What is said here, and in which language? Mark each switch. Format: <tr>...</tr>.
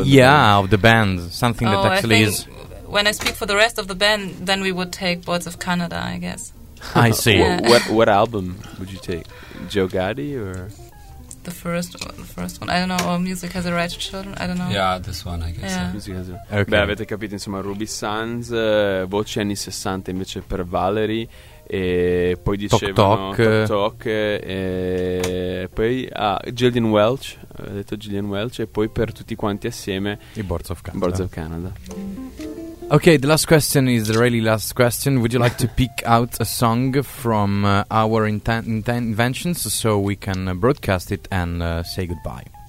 <en>Of the band. Something that actually is. When I speak for the rest of the band, then we would take Boards of Canada, I guess. I see. Yeah. What album would you take? Joe Gatti or? The first one, I don't know, or Music Has a Right to Children, I don't know. Yeah, this one, I guess. Yeah. Music Has a... okay.</en> <it>Beh, avete capito, insomma, Ruby Sands, voci anni 60 invece per Valerie, e poi dicevano Talk, e poi Gillian Welch, ho detto Gillian Welch, e poi per tutti quanti assieme i Boards of Canada.</it> <en>Boards of Canada. Okay, the last question is the really last question. Would you like to pick out a song from our inventions so we can broadcast it and say goodbye?</en>